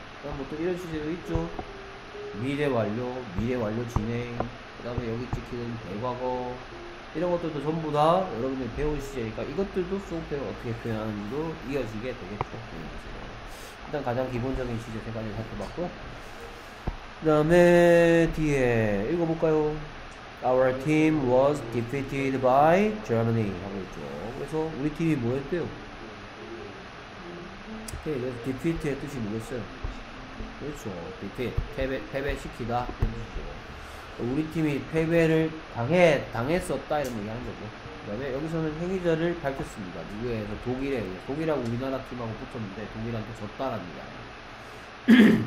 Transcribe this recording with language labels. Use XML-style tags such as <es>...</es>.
<ko>그 다음에 또 이런 시제도 있죠. 미래 완료 진행. 그 다음에 여기 찍히는 대과거. 이런 것들도 전부 다 여러분들이 배우시지 않으니까 이것들도 수업에 어떻게 표현하는지도 이어지게 되겠죠. 일단 가장 기본적인 시제 세 가지 살펴봤고, 그 다음에 뒤에 읽어볼까요?</ko> <en>Our team was defeated by Germany</en> <ko>하고 있죠. 그래서 우리 팀이 뭐 했대요? 그래서 defeat의 뜻이 뭐겠어요? 그렇죠. defeat, 패배시키다 이런 뜻이죠. 우리 팀이 패배를 당했었다 이런 얘기하는 거죠. 그 다음에 여기서는 행위자를 밝혔습니다. 누구에서 독일에 독일하고 우리나라 팀하고 붙었는데 독일한테 졌다라는 얘기예요.</ko>